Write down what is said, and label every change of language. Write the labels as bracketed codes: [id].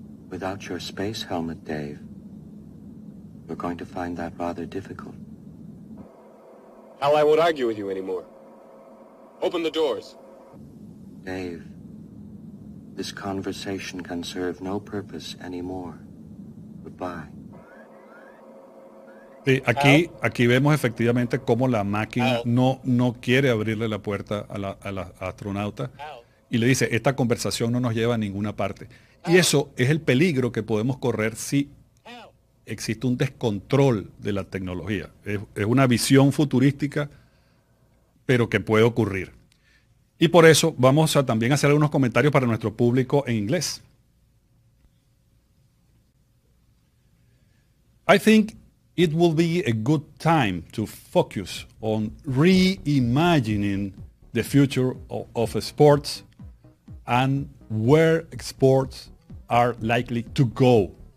[en] Without your space helmet, Dave, you're going to find that rather difficult. Hal, I won't argue with you anymore. Open the doors. Dave, this conversation can serve no purpose anymore. Goodbye. [es] Sí, aquí vemos efectivamente cómo la máquina no quiere abrirle la puerta a la astronauta y le dice, esta conversación no nos lleva a ninguna parte. Y eso es el peligro que podemos correr si existe un descontrol de la tecnología. Es una visión futurística, pero que puede ocurrir. Y por eso vamos a también hacer algunos comentarios para nuestro público en inglés. [en] I think it will be a good time to focus on reimagining the future of sports and where sports are likely to go.